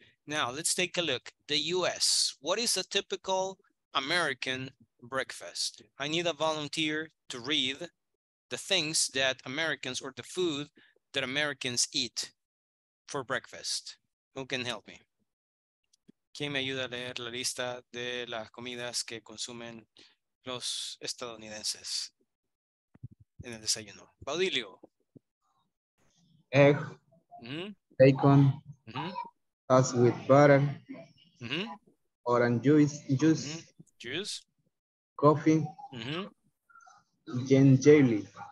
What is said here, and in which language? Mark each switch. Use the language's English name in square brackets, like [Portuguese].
[English] Now let's take a look. The US, what is a typical American breakfast? I need a volunteer to read the things that Americans, or the food that Americans eat for breakfast. Who can help me? [Spanish] ¿Quién me ayuda a leer la lista de las comidas que consumen los estadounidenses en el desayuno? Baudilio. [English] Egg, bacon, sauce with butter, orange juice, coffee, jelly.